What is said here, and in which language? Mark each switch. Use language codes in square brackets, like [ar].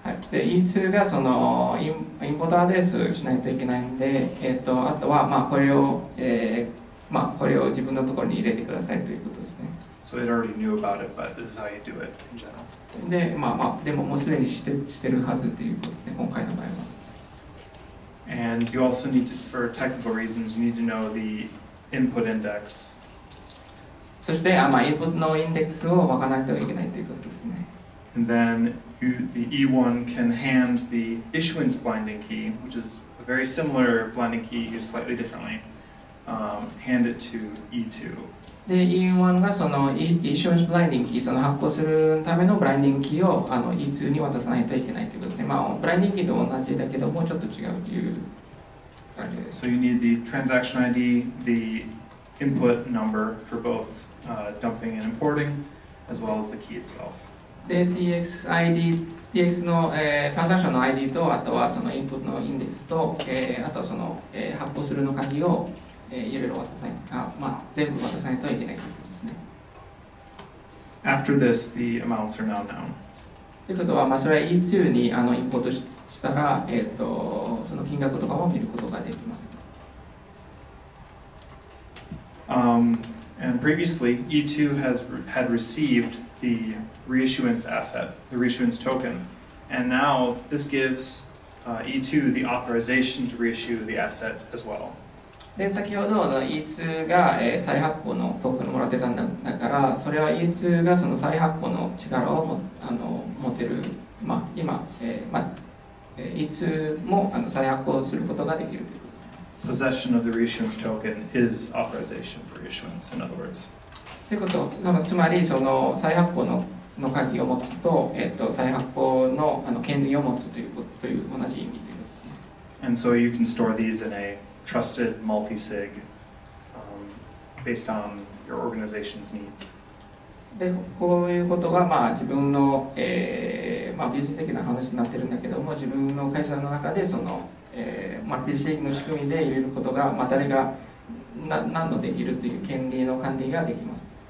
[ja] で、E2 がそのインポートアドレスしないといけないので、あとはまあこれを、まあこれを自分のところに入れてくださいということですね。 [en] So it already knew about it, but this is how you do it in general. [ja] で、まあまあ、でももうすでにしてるはずということですね、今回の場合は。 [en] And you also need to, for technical reasons, you need to know the input index. [ja] そして、まあ、インプットのインデックスを分からないといけないということですね。 [en] And then you, the E1 can hand the issuance blinding key, which is a very similar blinding key used slightly differently, hand it to E2. [ja] で、E1 がその [en] issuance blinding key、 [ja] その発行するためのブラインディングキーをあの E2 に渡さないといけないということですね。まあ、ブラインディングキーと同じだけど、もうちょっと違うという感じです。 [en] So you need the transaction ID, the input number for both、dumping and importing, as well as the key itself. [ja] で、TX ID、TX の、transaction の ID と、あとはそのインプットのインデックスと、あとはその、発行するの鍵を、いろいろ渡さない、あ、まあ、全部渡さないといけないということですね。 [en] After this, the amounts are now known. [ja] ということは、まあ、それは E2 にあのインポートしたら、その金額とかを見ることができます。 [en] And previously, E2 had received theReissuance asset, the reissuance token, and now this gives、E2 the authorization to reissue the asset as well. [ja] で先ほどの E2 が、再発行のトークンをもらってたんだから、それは E2 がその再発行の力をもあの持てる、まあ今、まあ、E2 もあの再発行することができるということですね。 [en] Possession of the reissuance token is authorization for issuance. In other words. [ja] ということ、つまりその再発行のの鍵を持つと、再発行 の, あの権利を持つとい う, ことという同じ意味ということですね。 [en] And so you can store these in a trusted multi-sig、based on your organization's needs. [ja] で、こういうことが、まあ、自分の、まあ、ビジネス的な話になってるんだけども、自分の会社の中でその、マルチシグの仕組みで入れることが、まあ、誰が何のできるという権利の管理ができます。